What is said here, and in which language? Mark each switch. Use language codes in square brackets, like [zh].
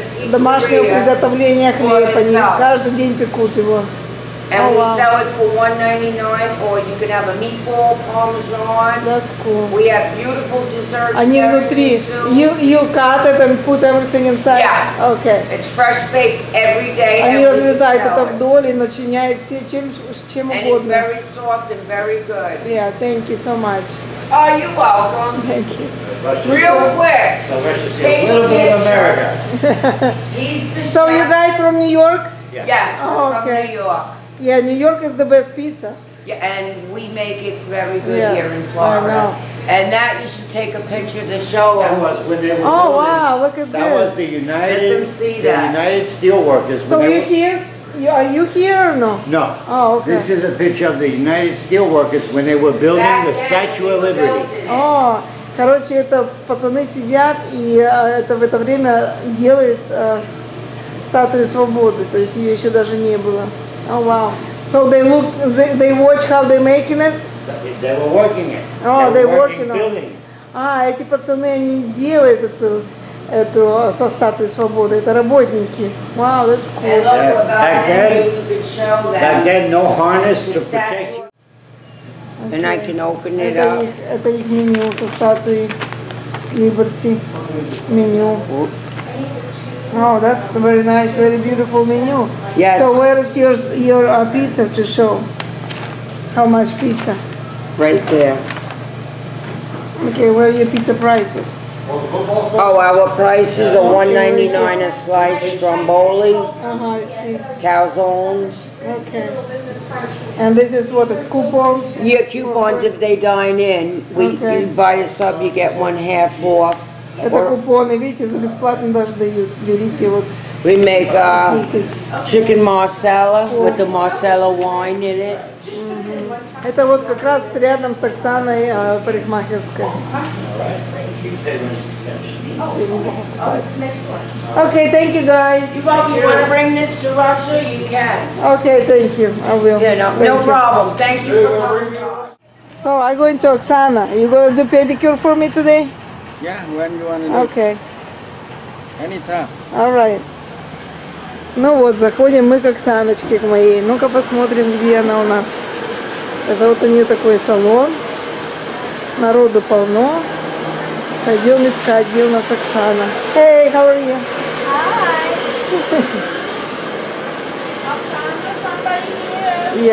[ru] Домашнее приготовление хлеба. Они каждый день пекут его. [en] And oh, wow. We sell it for $1.99, or you can have a meatball, parmesan. That's cool. We have beautiful desserts. [ru] Они внутри. [en] You cut it and put everything inside. Yeah. Okay. It's fresh baked every day. [ru] Они разрезают это вдоль и начиняют все чем с чем угодно. [en] And it's very soft and very good. Yeah. Thank you so much. Oh, you're welcome. Thank you. Real quick. A little bit of America. So you guys from New York? Yes. Oh, okay. From New York. Yeah, New York is the best pizza. Yeah, and we make it very good here in Florida. I know. And that you should take a picture to show them. That was when they were building. Oh, wow, look at that. That was the United, let them see that. The United Steelworkers. So you here? Are you here or no? No. Oh, okay. This is a picture of the United Steelworkers when they were building the Statue of Liberty. Oh. [ru] Короче, это пацаны сидят и это в это время делают Статую Свободы. То есть ее еще даже не было. [en] Oh wow! So they look, they watch how they making it. They were working it. Oh, they working on building. [ru] Эти пацаны они делают эту со Статуей Свободы. Это работники. [en] Wow, that's cool. And look about back then, you could show back then no harness to protect. And okay. I can open it [ru] это [en] up. [ru] Это их меню со Статуей Liberty меню. [en] Oh, that's very nice, very beautiful menu. Yes. So where is your pizza to show? How much pizza? Right there. Okay, where are your pizza prices? Oh, our prices are $1.99 a slice, stromboli, I see. Calzones. Okay. And this is what, is coupons? Yeah, coupons if they dine in. Okay. You buy a sub, you get one half off. [ru] Это купоны, видите, за бесплатно даже дают. Берите вот. [en] We make chicken marsala with the marsala wine in it. Mm-hmm. [ru] Это вот как раз рядом с Оксаной парикмахерской. [en] Okay, thank you guys. You want to bring this to Russia? You can. Okay, thank you. I will. Yeah, no problem. Thank you. So I going to Oksana. You gonna do pedicure for me today? Yeah, when you want to do. Okay. Anytime. All right. [ru] Ну вот, заходим мы к Оксаночке, к моей. Ну-ка посмотрим, где она у нас. Это вот у нее такой салон. Народу полно. Пойдем искать, где у нас Оксана. [en] Hey, how are you? Hi. Оксана, somebody here.